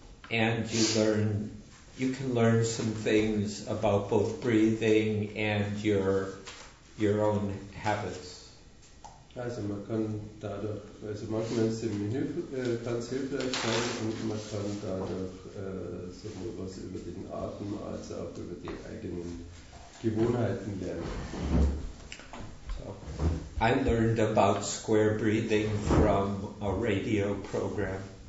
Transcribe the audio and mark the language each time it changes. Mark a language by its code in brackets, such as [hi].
[en] And you can learn some things about both breathing and your own habits. [de] Also man kann dadurch, also manchmal ist es im Menü ganz hilfreich sein und man kann dadurch sowohl was über den Atem als auch über die eigenen Gewohnheiten lernen. [en] So, I learned about square breathing from a radio program.